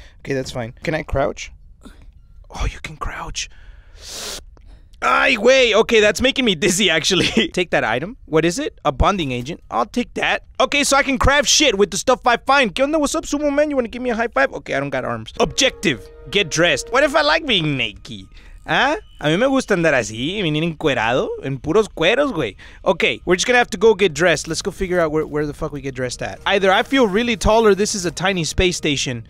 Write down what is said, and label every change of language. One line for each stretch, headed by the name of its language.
English: Okay, that's fine. Can I crouch? Oh, you can crouch. Ay, wait. Okay, that's making me dizzy, actually. Take that item. What is it? A bonding agent. I'll take that. Okay, so I can craft shit with the stuff I find.
Spanish: ¿Qué onda?
English: What's up, sumo man? You want to give me a high five? Okay, I don't got arms. Objective. Get dressed. What if I like being naked? Huh?
Spanish: A mí me gusta andar así, venir encuerado, en puros cueros, güey.
English: Okay, we're just gonna have to go get dressed. Let's go figure out where the fuck we get dressed at. Either I feel really tall or this is a tiny space station.